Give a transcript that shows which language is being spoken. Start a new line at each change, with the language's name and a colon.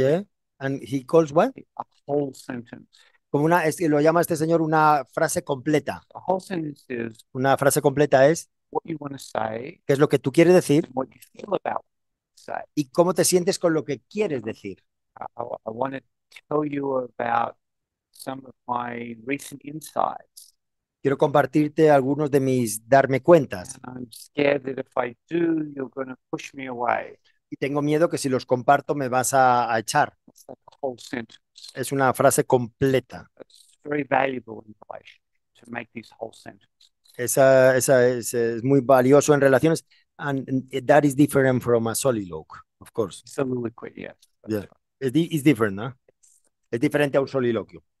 English: Yeah, and he calls what? A whole sentence.
Spanish: Como una, es que lo llama este señor una frase completa.
English: A whole sentence is,
Spanish: una frase completa es
English: what you want to say,
Spanish: qué es lo que tú quieres decir.
English: And what you feel about.
Spanish: ¿Y cómo te sientes con lo que quieres decir?
English: I want to tell you about some of my recent insights.
Spanish: Quiero compartirte algunos de mis darme cuentas.
English: And I'm scared that if I do, you're going to push me away.
Spanish: Y tengo miedo que si los comparto me vas a echar.
English: That's like a whole sentence.
Spanish: Es una frase completa.
English: It's very valuable in relation to make these whole sentences.
Spanish: Es muy valioso en relaciones.
English: And that is different from a soliloque, of course. Soliloquy, yes. Yeah. It's different,
Spanish: ¿no? Es diferente a un soliloquio.